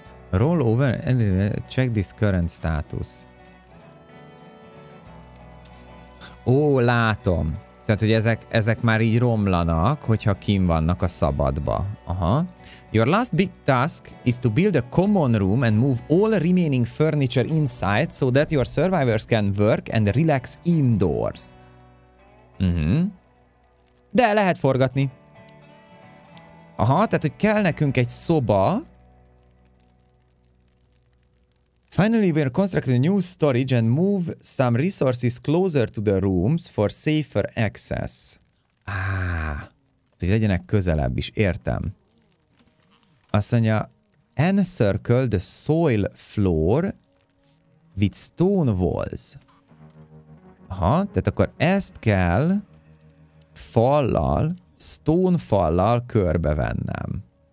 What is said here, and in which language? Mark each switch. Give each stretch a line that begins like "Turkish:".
English: Roll over and check this current status.
Hungarian: Ó, látom. Tehát, hogy ezek már így romlanak, hogyha kim vannak a szabadba. Aha.
English: Your last big task is to build a common room and move all remaining furniture inside so that your survivors can work and relax indoors.
Hungarian: De lehet forgatni. Aha, tehát hogy kell nekünk egy szoba.
English: Finally we are constructing a new storage and move some resources closer to the rooms for safer access.
Hungarian: Hogy legyenek közelebb is, értem. Azt mondja,
English: encircle the soil floor with stone walls.
Hungarian: Aha, tehát akkor ezt kell fallal, stone fallal körbevennem.